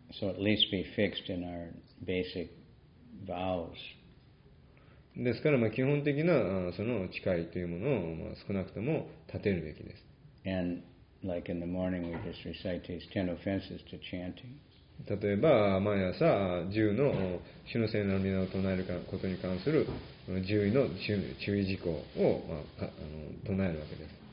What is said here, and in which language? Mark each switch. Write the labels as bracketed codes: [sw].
[en] So at least be fixed in our basic vows. [ja] ですから、まあ、基本的なその誓いというものを、まあ、少なくとも立てるべきです。 [en] And Like in the morning, we just recite these 10 offenses to chanting. [ja] 例えば毎朝十の主の聖なる御名を唱えることに関する十の注意事項を、まあ、唱えるわけです。